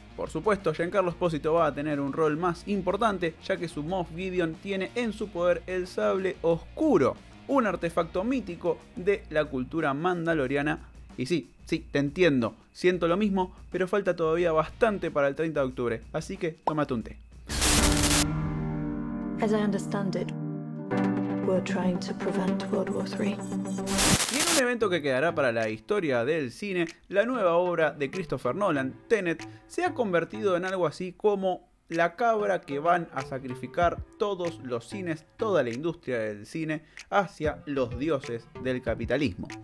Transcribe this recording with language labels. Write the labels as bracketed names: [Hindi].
[Spanish] Por supuesto, Giancarlo Esposito va a tener un rol más importante, ya que su Moff Gideon tiene en su poder el sable oscuro, un artefacto mítico de la cultura mandaloriana. Y sí, sí, te entiendo, siento lo mismo, pero falta todavía bastante para el 30 de octubre, así que tómate un té. [English] As I understand it, we're trying to prevent World War III. [Spanish] Y en un evento que quedará para la historia del cine, la nueva obra de Christopher Nolan, Tenet, se ha convertido en algo así como la cabra que van a sacrificar todos los cines, toda la industria del cine, hacia los dioses del capitalismo.